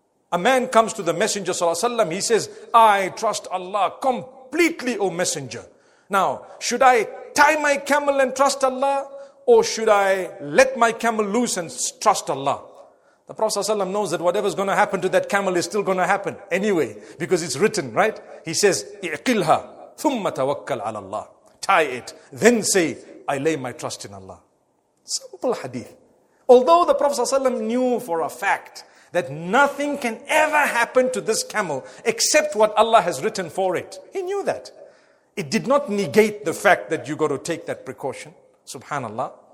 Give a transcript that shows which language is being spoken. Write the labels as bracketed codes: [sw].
[en] A man comes to the Messenger sallallahu alaihi wasallam. He says, I trust Allah completely, O Messenger. Now, should I tie my camel and trust Allah? Or should I let my camel loose and trust Allah? The Prophet ﷺ knows that whatever's going to happen to that camel is still going to happen anyway, because it's written, right? He says, [ar] اِعْقِلْهَا ثُمَّ تَوَكَّلْ عَلَى اللَّهِ. [en] Tie it, then say, I lay my trust in Allah. Simple hadith. Although the Prophet ﷺ knew for a fact that nothing can ever happen to this camel except what Allah has written for it. He knew that. It did not negate the fact that you got to take that precaution. Subhanallah.